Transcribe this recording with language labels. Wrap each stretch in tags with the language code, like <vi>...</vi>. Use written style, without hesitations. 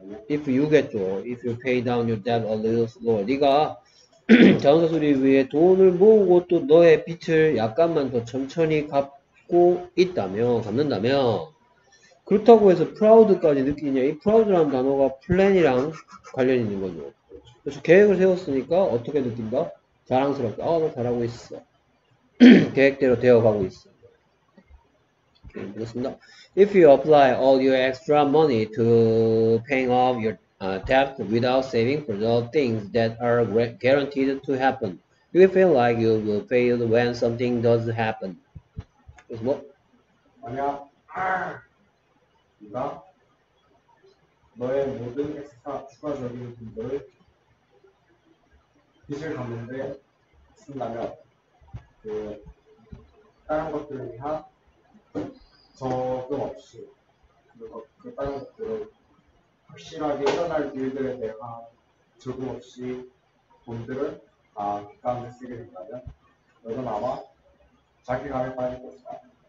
<en>if you get to if you pay down your debt a little slower</en> <ko>네가 자동차 수리 위해 돈을 모으고 또 너의 빚을 약간만 더 천천히 갚고 있다면 갚는다면 그렇다고 해서 proud까지 느끼냐? 이 proud라는 단어가 plan이랑 관련 있는 거죠. 그래서 계획을 세웠으니까 어떻게 느낀다? 자랑스럽다. 아, 너 잘하고 있어. 계획대로 되어가고 있어. 오케이, 그렇습니다.</ko> <en>If you apply all your extra money to paying off your debt without saving for the things that are guaranteed to happen. You will feel like you will fail when something does happen.</en> <ko>그래서 뭐? 만약 네가 너의 모든 엑스트라 추가적인 돈을 빚을 갚는데 쓴다면 그 다른 것들에 대한 적금 없이 그리고 그 다른 것들을 확실하게 일어날 일들에 대한 조금 없이 돈들을 다 기간을 쓰게 된다면 너는 아마 자기 감에 빠질 것이다.</ko>